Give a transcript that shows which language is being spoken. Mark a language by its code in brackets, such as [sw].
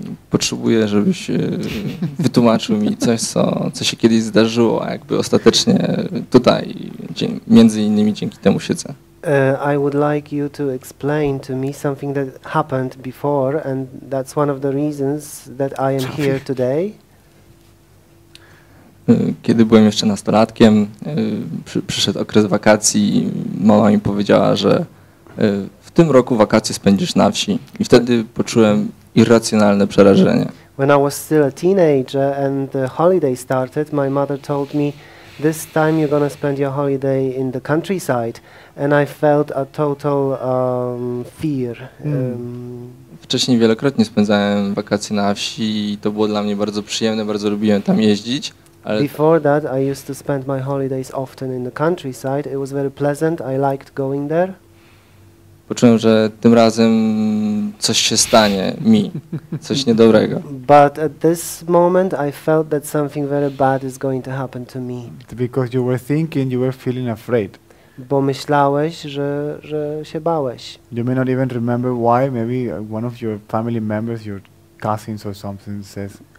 [pl] Potrzebuję, żebyś wytłumaczył mi coś, co się kiedyś zdarzyło, a jakby ostatecznie tutaj, między innymi dzięki temu siedzę. [en] I would like you to explain to me something that happened before, and that's one of the reasons that I am here today. [pl] Kiedy byłem jeszcze nastolatkiem, przyszedł okres wakacji, mama mi powiedziała, że w tym roku wakacje spędzisz na wsi. I wtedy poczułem irracjonalne przerażenie. [en] When I was still a teenager and the holiday started, my mother told me, this time you're gonna spend your holiday in the countryside. And I felt a total fear. [pl] Wcześniej wielokrotnie spędzałem wakacje na wsi i to było dla mnie bardzo przyjemne, bardzo lubiłem tam jeździć. [en] Before that, I used to spend my holidays often in the countryside. It was very pleasant. I liked going there. [pl] poczułem, że tym razem coś się stanie mi, coś niedobrego. [en] But at this moment I felt that something very bad is going to happen to me. Because you were thinking, you were feeling afraid. [pl] Bo myślałeś, że się bałeś. [en] You may not even remember why, maybe one of your family members, your cousins or something says,